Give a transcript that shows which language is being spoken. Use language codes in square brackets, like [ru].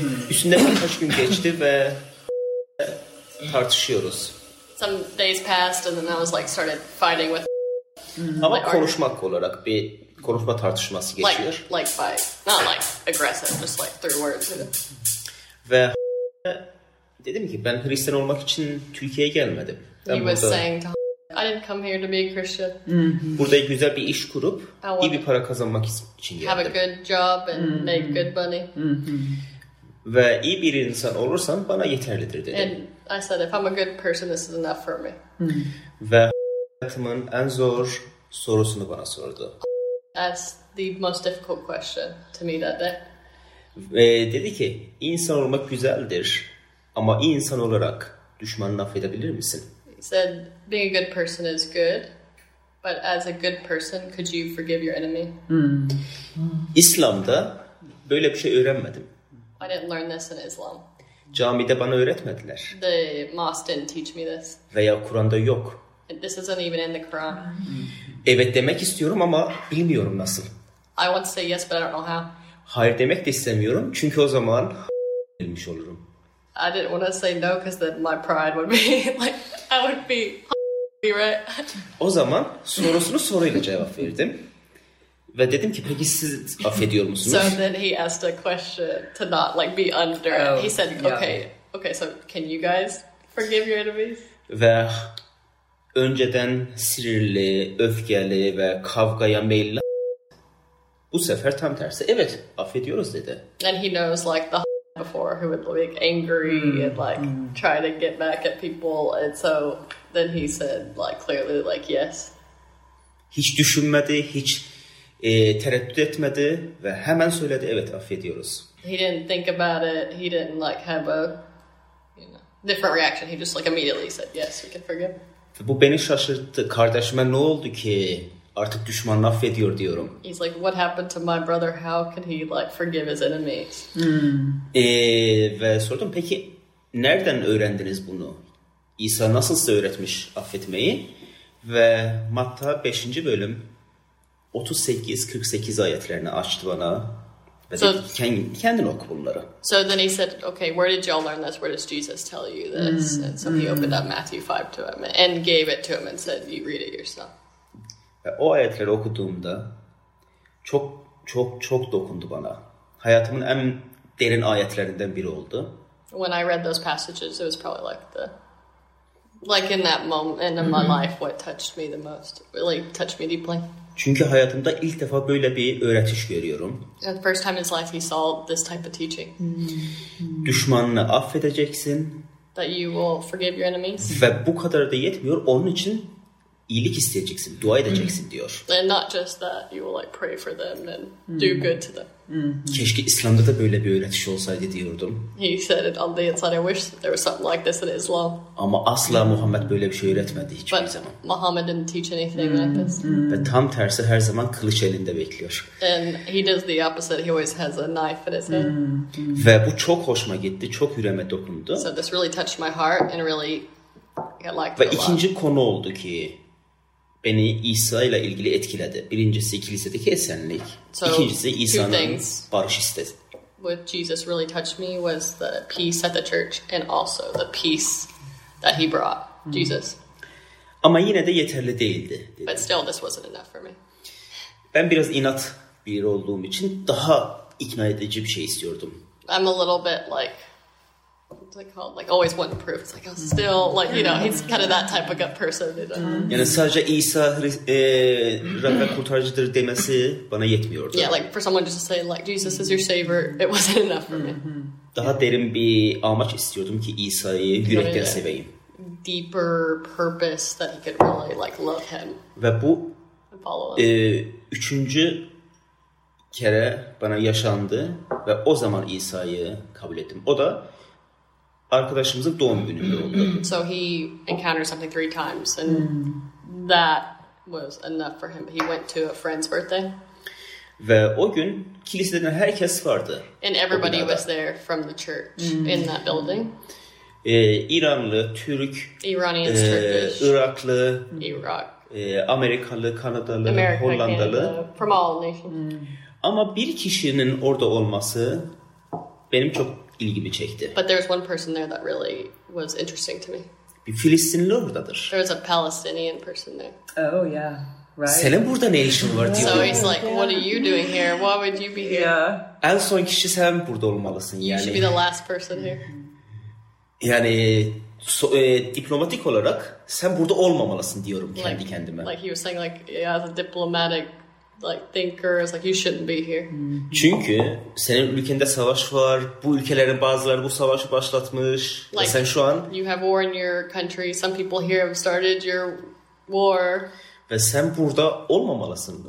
[tr] Üstünden birkaç gün geçti ve tartışıyoruz. [en] Some days passed and then I was like started fighting with [tr] ama konuşmak olarak bir konuşma tartışması geçiyor. [en] Like fight. Not like aggressive, just like through words. [tr] Ve dedim ki ben Hristiyan olmak için Türkiye'ye gelmedim. [en] He was saying to I didn't come here to be a Christian. [tr] Burada güzel bir iş kurup iyi bir para kazanmak için geldim. [en] Have a good job and make good money. [tr] Ve iyi bir insan olursan bana yeterlidir dedim. [en] And I said if I'm a good person this is enough for me. [tr] Ve hayatımın en zor sorusunu bana sordu. [en] Asked the most difficult question to me that day. [tr] Ve dedi ki insan olmak güzeldir ama insan olarak düşmanını affedebilir misin? [en] He said being a good person is good but as a good person could you forgive your enemy? [tr] İslam'da böyle bir şey öğrenmedim. [en] I didn't learn this in Islam. [tr] Camide bana öğretmediler. [en] The mosque didn't teach me this. [tr] Veya Kur'an'da yok. [en] This isn't even in the Quran. [tr] Evet demek istiyorum ama bilmiyorum nasıl. [en] I want to say yes but I don't know how. [tr] Hayır demek de istemiyorum çünkü o zaman ölmüş olurum. [en] I didn't want to say no because then my pride would be like I would be right. [tr] O zaman sorusunu soruyla cevap verdim. Ve dedim ki peki siz affediyor musunuz? [en] So then he asked a question to not like be under. Oh, he said yeah. okay so can you guys forgive your enemies? [tr] Ve önceden sinirli, öfkeli ve kavgaya meyilli bu sefer tam tersi evet affediyoruz dedi. [en] And he knows like the before who would be angry and like try to get back at people and so then he said like clearly like yes. [tr] Hiç düşünmedi, hiç tereddüt etmedi ve hemen söyledi evet affediyoruz. [en] He didn't think about it. He didn't like have a different reaction. He just like immediately said yes, we can forgive. [tr] Ve bu beni şaşırttı. Kardeşime ne oldu ki artık düşmanını affediyor diyorum. [en] He's like what happened to my brother? How can he like forgive his enemies? [tr] Ve sordum peki nereden öğrendiniz bunu? İsa nasıl size öğretmiş affetmeyi? Ve Matta 5. bölüm 38-48 ayetlerini açtı bana. Ve dedi, kendin oku bunları. [en] So then he said, okay, where did y'all learn this? Where does Jesus tell you this? And so he opened up Matthew 5 to him and gave it to him and said, you read it yourself. [tr] Ve o ayetleri okuduğumda çok dokundu bana. Hayatımın en derin ayetlerinden biri oldu. [en] When I read those passages, it was probably like the... Like in that moment in my life, what touched me the most? Really touched me deeply. [tr] Çünkü hayatımda ilk defa böyle bir öğretiş görüyorum. [en] The first time in his life he saw this type of teaching. [tr] Düşmanını affedeceksin. [en] That you will forgive your enemies. [tr] Ve bu kadar da yetmiyor. Onun için iyilik isteyeceksin, dua edeceksin diyor. [en] And not just that, you will like pray for them and do good to them. [tr] Keşke İslam'da da böyle bir öğretiş olsaydı diyordum. [en] He said it on the inside, I wish there was something like this in Islam. [tr] Ama asla Muhammed böyle bir şey öğretmedi hiçbir zaman. [en] But Muhammed didn't teach anything like this. [tr] Ve tam tersi her zaman kılıç elinde bekliyor. [en] And he does the opposite, he always has a knife in his hand. [tr] Ve bu çok hoşuma gitti, çok yüreğime dokundu. [en] So this really touched my heart and really I liked [tr] it. Ve ikinci konu oldu ki beni İsa ile ilgili etkiledi. Birincisi kilisedeki esenlik. [en] So, [tr] İkincisi İsa'nın barış istedi. [en] What Jesus really touched me was the peace at the church and also the peace that he brought, Jesus. [tr] Ama yine de yeterli değildi. Dedi. [en] But still this wasn't enough for me. [tr] Ben biraz inat biri olduğum için daha ikna edici bir şey istiyordum. [en] I'm a little bit like what's it called? Like always want proof. It's like I'm still like you know he's kind of that type of gut person. [tr] Yani sadece İsa Rabbe kurtarıcıdır demesi bana yetmiyordu. [en] Yeah, like for someone just to say like Jesus is your savior, it wasn't enough for me. [tr] Daha derin bir amaç istiyordum ki İsa'yı yürekten seveyim. [en] Deeper purpose that he could really like love him. [tr] Ve bu [en] follow [tr] üçüncü kere bana yaşandı ve o zaman İsa'yı kabul ettim. O da arkadaşımızın doğum gününde oldu. [en] So he encountered something three times and that was enough for him. He went to a friend's birthday. [tr] Ve o gün kilisede herkes vardı. [en] And everybody was there from the church in that building. [tr] İranlı, Türk, [en] Iranian, [tr] Iraklı, Irak, Amerikalı, Kanadalı, America, Hollandalı. [en] Canada, from all nations. Hmm. [tr] Ama bir kişinin orada olması benim çok ilgimi çekti. [en] But there was one person there that really was interesting to me. [tr] Bir Filistinli oradadır. [en] There was a Palestinian person there. Oh yeah, right. [tr] Senin burada ne işin var diyor. [en] So he's like, yeah. What are you doing here? Why would you be here? Yeah. [tr] En son kişi sen burada olmalısın yani. [en] You should be the last person here. [tr] Yani diplomatik olarak sen burada olmamalısın diyorum kendi [en] like, [tr] kendime. [en] Like he was saying like, yeah, as a diplomatic like thinker, it's like you shouldn't be here. [tr] Çünkü senin ülkende savaş var. Bu ülkelerin bazıları bu savaşı başlatmış. Like, ve sen şu an [en] you have war in your country. Some people here have started your war. [tr] Ve sen burada olmamalısın.